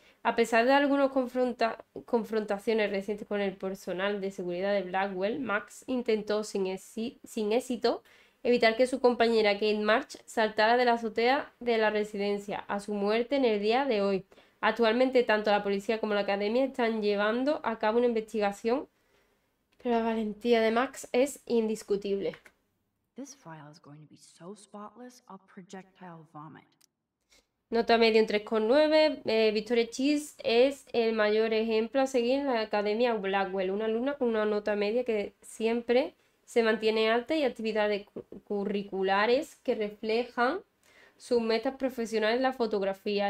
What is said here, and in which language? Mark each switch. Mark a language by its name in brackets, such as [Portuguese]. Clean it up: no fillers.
[Spanish] A pesar de algunas confrontaciones recientes con el personal de seguridad de Blackwell, Max intentó sin éxito evitar que su compañera Kate March saltara de la azotea de la residencia a su muerte en el día de hoy. Actualmente, tanto la policía como la academia están llevando a cabo una investigación, pero la valentía de Max es indiscutible. [English] This file is going to be so spotless, I'll projectile vomit. [Spanish] Nota media, un 3,9. Victoria Cheese es el mayor ejemplo a seguir en la Academia Blackwell, una alumna con una nota media que siempre se mantiene alta y actividades curriculares que reflejan sus metas profesionales en la fotografía.